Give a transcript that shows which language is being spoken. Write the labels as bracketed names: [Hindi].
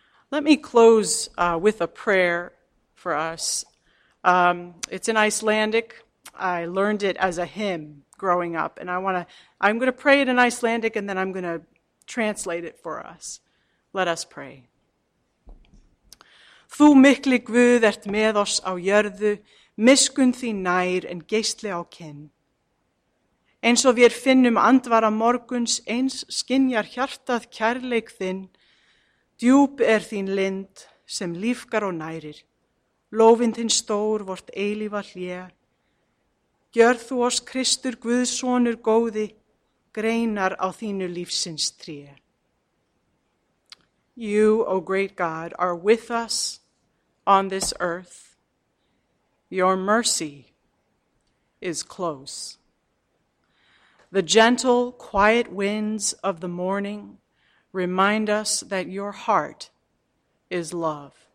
[English] Let me close with a prayer for us. It's in Icelandic. I learned it as a hymn growing up, and I'm going to pray it in Icelandic, and then I'm going to translate it for us. Let us pray. [Icelandic] Þú mikli Guð ert með oss á jörðu, miskunn þín nær en geistli á kinn. Eins og við finnum andvara morguns, eins skynjar hjartað kærleik þinn. Djúp þín lind sem lífgar og nærir. Lófin þinn stór vort eilífa hlé. Gjörð þú oss Kristur Guðssonur góði, greinar á þínu lífsins tré. [English] You, O great God, are with us on this earth. Your mercy is close. The gentle, quiet winds of the morning remind us that your heart is love.